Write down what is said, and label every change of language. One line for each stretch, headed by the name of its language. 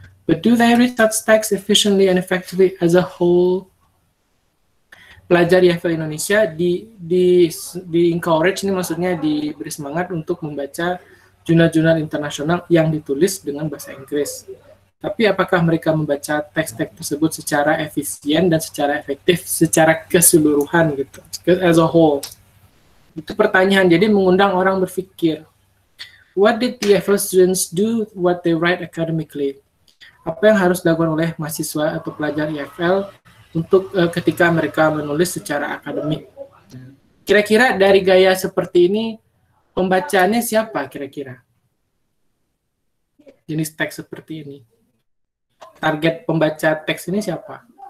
English: But do they read such texts efficiently and effectively as a whole?
Indonesian: Pelajar YAFO Indonesia di encourage, ini maksudnya diberi semangat untuk membaca jurnal-jurnal internasional yang ditulis dengan bahasa Inggris. Tapi apakah mereka membaca teks-teks tersebut secara efisien dan secara efektif, secara keseluruhan gitu,
English: as a whole?
Indonesian: Itu pertanyaan, jadi mengundang orang berpikir.
English: What did the YAFO students do what they write academically?
Indonesian: Apa yang harus dilakukan oleh mahasiswa atau pelajar YAFO untuk ketika mereka menulis secara akademik? Kira-kira dari gaya seperti ini, pembacaannya siapa kira-kira? Jenis teks seperti ini. Target pembaca teks ini siapa?